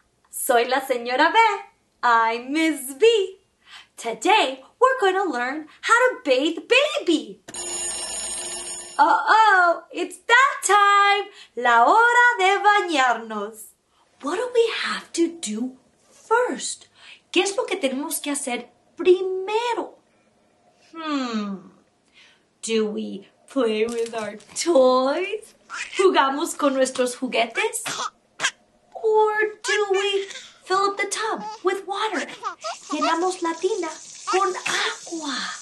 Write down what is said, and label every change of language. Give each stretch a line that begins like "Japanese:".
Spanish: Soy la señora B.
English: I'm Ms. V. Today, we're going to learn how to bathe baby. Uh-oh, it's bath time.
Spanish: La hora de bañarnos.
English: What do we have to do first?
Spanish: ¿Qué es lo que tenemos que hacer primero?
English: Do we play with our toys?
Spanish: ¿Jugamos con nuestros juguetes?
English: Or do we fill up the tub with water?
Spanish: Llenamos la tina con agua.